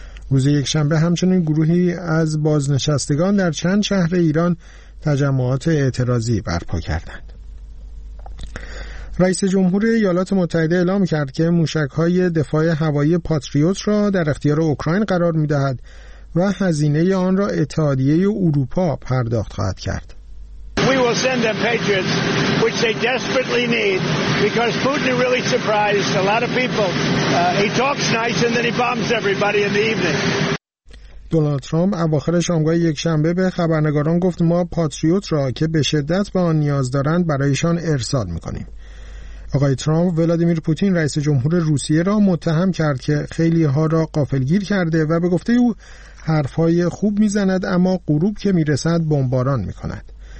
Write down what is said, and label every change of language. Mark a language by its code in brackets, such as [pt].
[fa] روز یکشنبه همچنین گروهی از بازنشستگان در چند شهر ایران تجمعات اعتراضی برپا کردند. رئیس جمهور ایالات متحده اعلام کرد که موشک‌های دفاع هوایی پاتریوت را در اختیار اوکراین قرار می‌دهد و هزینه آن را اتحادیه اروپا پرداخت خواهد کرد. [en] We will send them Patriots, which they desperately need, because Putin really surprised a lot of people. He talks nice and then he bombs everybody in the evening. [fa] دونالد ترامپ اواخر شامگاه یکشنبه به خبرنگاران گفت ما پاتریوت را که به شدت به آن نیاز دارند برایشان ارسال می‌کنیم. آقای ترامپ ولادیمیر پوتین رئیس جمهور روسیه را متهم کرد که خیلی‌ها را غافلگیر کرده و به گفته او حرف‌های خوب می‌زند اما غروب که می‌رسد بمباران می‌کند.